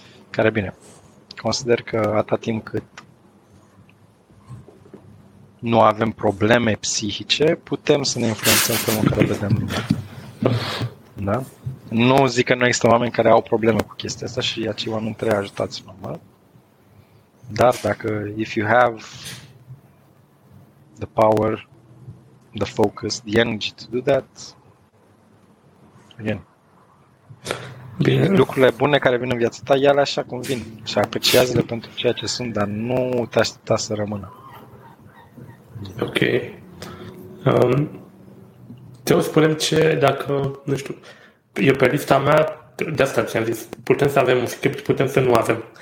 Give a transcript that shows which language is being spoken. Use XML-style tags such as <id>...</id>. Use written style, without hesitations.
<ro>Care, bine, consider că atât timp cât nu avem probleme psihice, putem să ne influențăm felul în care vedem lumea. Da? Nu zic că nu există oameni care au probleme cu chestia asta și acei oameni trebuie ajutați normal. Dar dacă</ro> <en>if you have the power, the focus, the energy to do that, again.</en> <ro>Bine. Lucrurile bune care vin în viața ta, ia-le așa cum vin și apreciază-le pentru ceea ce sunt, dar nu te aștepta să rămână. Ok. Eu spunem ce dacă, nu știu, eu pe lista mea, de asta ți-am zis, putem să avem un script, putem să nu avem.</ro>